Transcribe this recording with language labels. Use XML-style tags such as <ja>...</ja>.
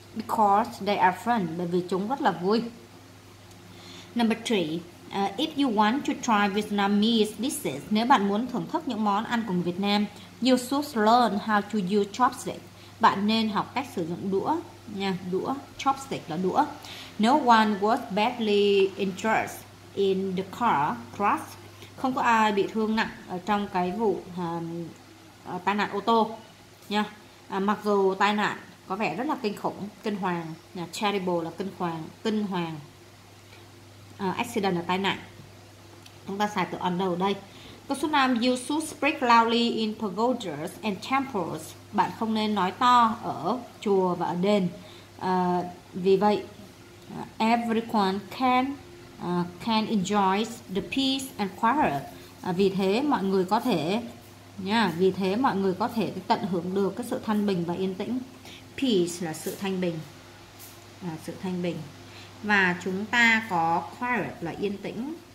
<en>Because they are fun,</en> <vi>bởi vì chúng rất là vui.</vi> <en>Number three, if you want to try Vietnamese dishes,</en> <vi>nếu bạn muốn thưởng thức những món ăn của Việt Nam,</vi> <en>you should learn how to use chopsticks.</en> <vi>Bạn nên học cách sử dụng đũa nha, đũa, chopstick là đũa.</vi> <en>No one was badly injured in the car crash.</en> <vi>Không có ai bị thương nặng ở trong cái vụ tai nạn ô tô nha. Mặc dù tai nạn có vẻ rất là kinh khủng, kinh hoàng, terrible là kinh hoàng. Accident là tai nạn. Chúng ta xài từ under đây. Câu số 5,</vi> <en>you should speak loudly in pagodas and temples.</en> <vi>Bạn không nên nói to ở chùa và ở đền. Vì vậy,</vi> <en>everyone can enjoy the peace and quiet.</en> <vi>Vì thế mọi người có thể vì thế mọi người có thể tận hưởng được cái sự thanh bình và yên tĩnh. Peace là sự thanh bình. Và chúng ta có quiet là yên tĩnh.</vi>